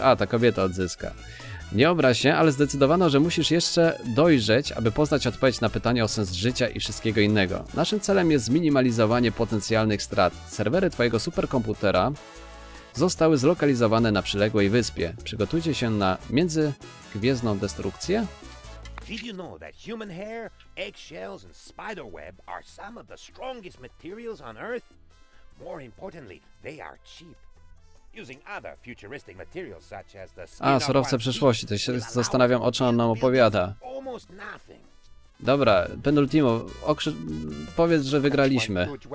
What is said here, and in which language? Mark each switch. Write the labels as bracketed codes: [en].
[pl] A, ta kobieta odzyska. Nie obraź się, ale zdecydowano, że musisz jeszcze dojrzeć, aby poznać odpowiedź na pytanie o sens życia i wszystkiego innego. Naszym celem jest zminimalizowanie potencjalnych strat. Serwery twojego superkomputera zostały zlokalizowane na przyległej wyspie. Przygotujcie się na międzygwiezdną destrukcję. [en] Did you know that human hair, eggshells and spider web are some of the strongest materials on Earth? More importantly, they are cheap. Using other futuristic materials such as the [pl] A, surowce przeszłości, to się zastanawiam, o czym on nam opowiada. [en] Almost nothing. [pl] Dobra, Penultimo, powiedz, że wygraliśmy.